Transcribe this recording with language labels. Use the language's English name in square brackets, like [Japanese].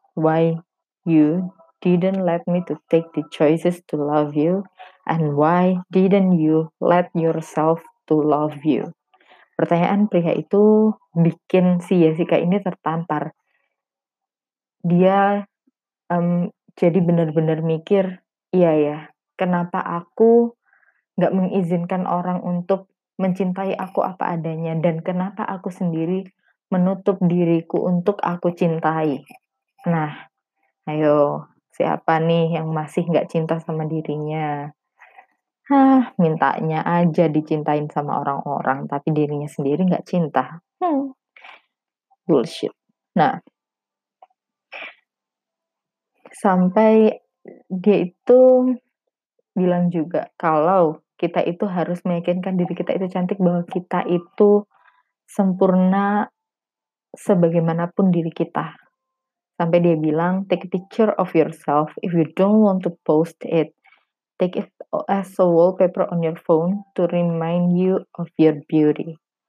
[English] Why you didn't let me to take the choices to love you? And why didn't you let yourself to love you?" [Indonesian] Pertanyaan pria itu bikin si Jessica ini tertampar. Dia jadi benar-benar mikir, iya ya, kenapa aku gak mengizinkan orang untuk mencintai aku apa adanya, dan kenapa aku sendiri menutup diriku untuk aku cintai. Nah, ayo, siapa nih yang masih gak cinta sama dirinya? Hah, mintanya aja dicintain sama orang-orang, tapi dirinya sendiri gak cinta. Bullshit. Nah, sampai dia itu bilang juga, kalau kita itu harus meyakinkan diri kita itu cantik, bahwa kita itu sempurna sebagaimanapun diri kita. Sampai dia bilang, [English] take a picture of yourself if you don't want to post it. Take it as a wallpaper on your phone to remind you of your beauty.